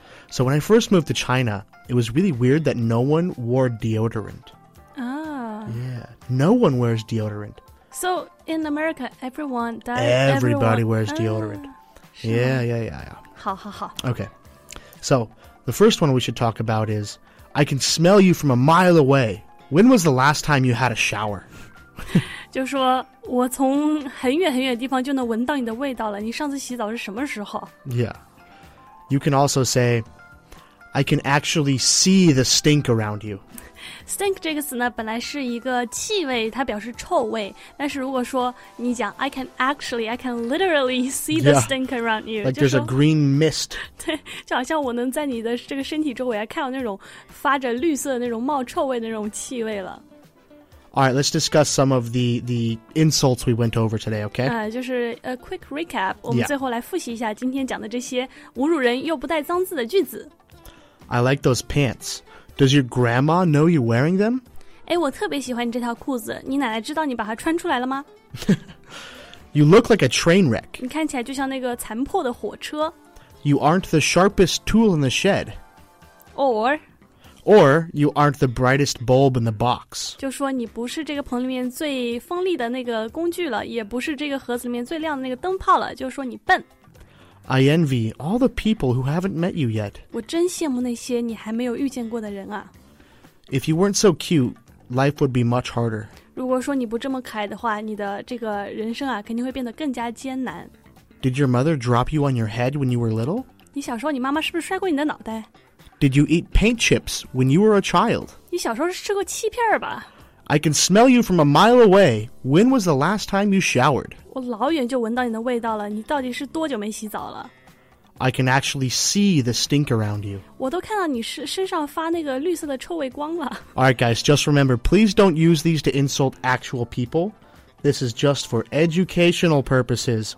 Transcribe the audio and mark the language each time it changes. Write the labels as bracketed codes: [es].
[en] So when I first moved to China It was really weird that no one wore deodorant、yeah. No one wears deodorant So in America everyone does Everybody wears deodorant、Yeah [zh] 好 [en] Okay So the first one we should talk about is I can smell you from a mile away. When was the last time you had a shower? [zh] 就说我从很远很远的地方就能闻到你的味道了。你上次洗澡是什么时候 [en] ？Yeah. You can also say, I can actually see the stink around you. [zh] Stink 这个词呢，本来是一个气味，它表示臭味。但是如果说你讲 [en] I can literally see the stink around you. Like there's a green mist. [zh] 对，就好像我能在你的这个身体周围看到那种发着绿色的那种冒臭味的那种气味了。 [en] All right, let's discuss some of the insults we went over today, okay? 就是 a quick recap. [zh] 我们最后来复习一下今天讲的这些侮辱人又不带脏字的句子。 [en] I like those pants. Does your grandma know you're wearing them? [zh] 我特别喜欢你这条裤子。你奶奶知道你把它穿出来了吗 [en] ？You look like a train wreck. [zh] 你看起来就像那个残破的火车。 [en] You aren't the sharpest tool in the shed. Or you aren't the brightest bulb in the box. [zh] 就说你不是这个棚里面最锋利的那个工具了，也不是这个盒子里面最亮的那个灯泡了。就说你笨。 [en] I envy all the people who haven't met you yet. [zh] 我真羡慕那些你还没有遇见过的人啊。 [en] If you weren't so cute, life would be much harder. [zh] 如果说你不这么可爱的话，你的这个人生啊，肯定会变得更加艰难。 [en] Did your mother drop you on your head when you were little? [zh] 你小时候你妈妈是不是摔过你的脑袋？ [en] Did you eat paint chips when you were a child? [zh] 你小时候是吃过漆片吧？ [en] I can smell you from a mile away. When was the last time you showered? [zh] 我老远就闻到你的味道了，你到底是多久没洗澡了 [en] ？I can actually see the stink around you. [zh] 我都看到你身上发那个绿色的臭味光了。 [en] All right, guys, just remember, please don't use these to insult actual people. This is just for educational purposes.